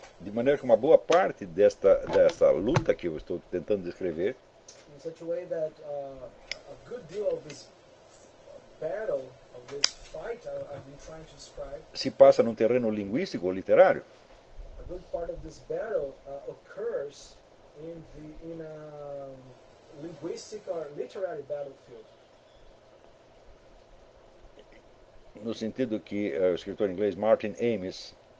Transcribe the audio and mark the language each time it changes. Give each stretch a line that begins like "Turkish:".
Portuguese: De maneira que uma boa parte desta luta que eu estou tentando descrever,
English: in such a way that a good deal of this battle, of this fight I've been trying to describe,
Portuguese: se passa num terreno linguístico ou literário.
English: A good part of this battle occurs in the in a linguistic or literary battlefield.
Portuguese: No sentido que o escritor inglês Martin Amis,